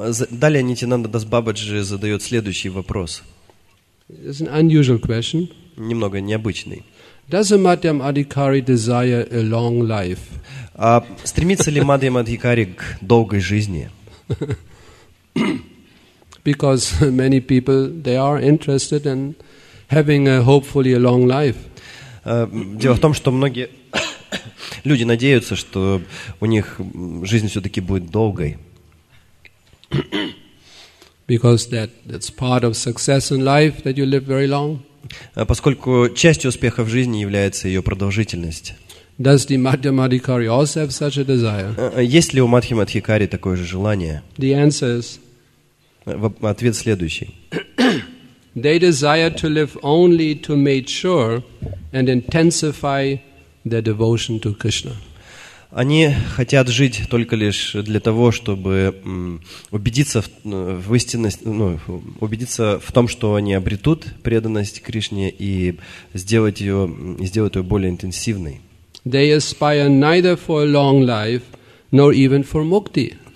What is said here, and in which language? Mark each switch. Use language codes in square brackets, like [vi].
[ru] Далее Нитянанда Дас Бабаджи задает следующий вопрос. [en] It's an unusual question. [ru] Немного необычный. [en] Does a Madhyam Adhikari desire a long life? [ru] А стремится ли Мадхьям Адхикари к долгой жизни? [en] Because many people they are interested in having a hopefully a long life. [ru] Дело в том, что многие люди надеются, что у них жизнь все-таки будет долгой. [en] Because that's part of success in life that you live very long. [ru] Поскольку частью успеха в жизни является ее продолжительность. [en] Does the Madhyam Adhikari also have such a desire? [ru] Есть ли у Мадхьям Адхикари такое же желание? [en] The answer is. [ru] Ответ следующий. [en] They desire to live only to make sure and intensify their devotion to Krishna. [ru] Они хотят жить только лишь для того, чтобы убедиться в том, что они обретут преданность Кришне и сделать ее более интенсивной. [en] They aspire neither for a long life, nor even for mukti.